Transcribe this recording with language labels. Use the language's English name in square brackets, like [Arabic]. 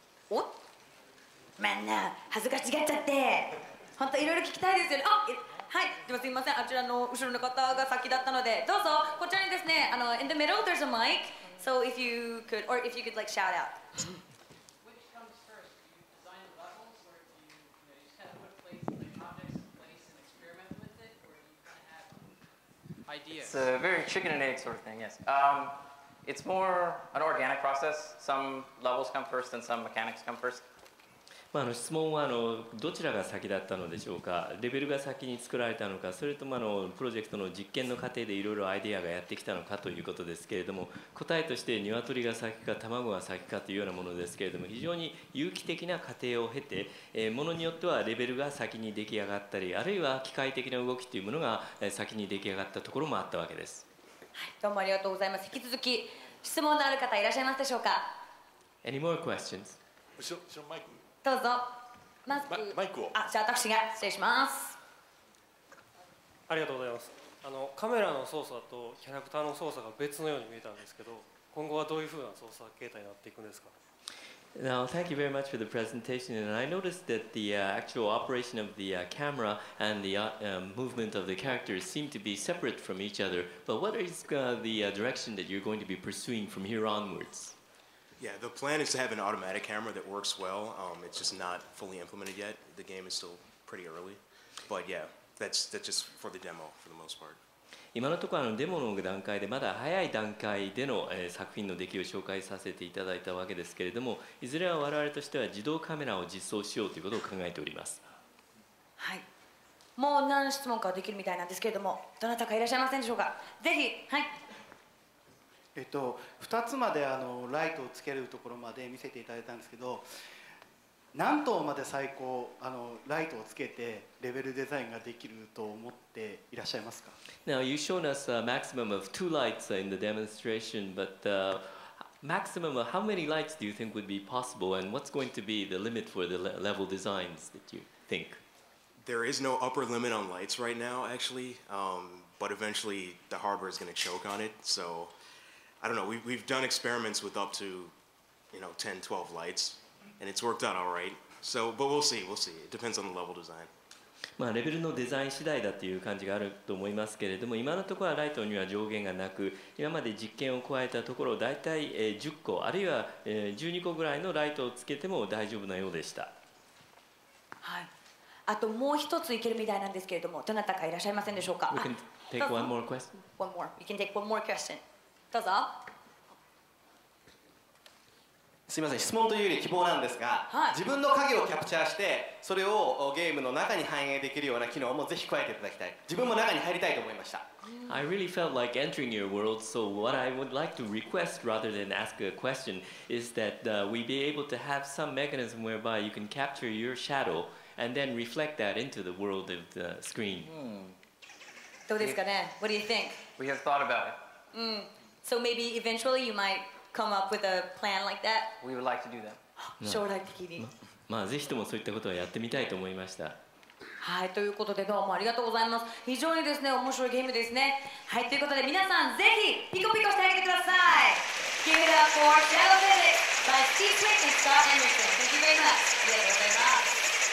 [Japanese] おみんな、恥ずかしがっちゃって。本当、いろいろ聞きたいですよね。はい、でもすみません、あちらの後ろの方が先だったので、どうぞ、こちらにですね、あの、 [English] in the middle, there's a mic, so if you could, or if you could, like, shout out. Which comes first? Do you design the levels, or do you, you know, you just kind of put place, objects in place and experiment with it, or do you kind of have ideas? It's a very chicken and egg sort of thing, yes. It's more an organic process. Some levels come first, and some mechanics come first. [Japanese] まあ、あの質問はあのどちらが先だったのでしょうか、レベルが先に作られたのか、それともあのプロジェクトの実験の過程でいろいろアイデアがやってきたのかということですけれども、答えとして鶏が先か卵が先かというようなものですけれども、非常に有機的な過程を経て、ものによってはレベルが先に出来上がったり、あるいは機械的な動きというものが先に出来上がったところもあったわけです。はい、どうもありがとうございます。引き続き質問のある方いらっしゃいますでしょうか。 [English] Any more questions? [Japanese] どうぞ。マスク。マイクを。あ、じゃあ私が失礼します。ありがとうございます。あのカメラの操作とキャラクターの操作が別のように見えたんですけど、今後はどういうふうな操作形態になっていくんですか。 [English] Now, thank you very much for the presentation. And I noticed that the actual operation of the camera and the movement of the characters seem to be separate from each other. But what is the direction that you're going to be pursuing from here onwards? Yeah, the plan is to have an automatic camera that works well. It's just not fully implemented yet. The game is still pretty early. But yeah, that's just for the demo for the most part. [Japanese] 今のところあのデモの段階でまだ早い段階での、作品の出来を紹介させていただいたわけですけれども、いずれは我々としては自動カメラを実装しようということを考えております。はい。もう何質問かできるみたいなんですけれども、どなたかいらっしゃいませんでしょうか。ぜひ、はい。 2つまであのライトをつけるところまで見せていただいたんですけど、何灯まで最高あのライトをつけてレベルデザインができると思っていらっしゃいますか。 [English] Now you've shown us a maximum of two lights in the demonstration, but maximum of how many lights do you think would be possible, and what's going to be the limit for the level designs that you think? There is no upper limit on lights right now actually, but eventually the hardware is going to choke on it, soI don't know, we've done experiments with up to, you know, 10, 12 lights, and it's worked out all right. So, but we'll see. It depends on the level design. [Japanese] まあ、レベルのデザイン次第だという感じがあると思いますけれども、今のところはライトには上限がなく、今まで実験を加えたところ、大体10個、あるいは12個ぐらいのライトをつけても大丈夫なようでした。はい。あともう一ついけるみたいなんですけれども、どなたかいらっしゃいませんでしょうか。 [English] We can take one more question. You can take one more question. [Japanese] どうぞ。すみません、質問というより希望なんですが、はい、自分の影をキャプチャーしてそれをゲームの中に反映できるような機能もぜひ加えていただきたい。自分も中に入りたいと思いました。 [English] I really felt like entering your world, so what I would like to request rather than ask a question is that we be able to have some mechanism whereby you can capture your shadow and then reflect that into the world of the screen. [Japanese] どうですかね? [English] What do you think? We have thought about it. So maybe eventually you might come up with a plan like that? We would like to do that. [Japanese] 将来的に。まあ、ぜひともそういったことをやってみたいと思いました。はい、ということでどうもありがとうございます。非常にですね、面白いゲームですね。はい、ということで皆さんぜひピコピコしてあげてください。 [English] Give it up for Shadow Physics by T-Train and Scott Anderson. Thank you very much. [Japanese] ありがとうございます。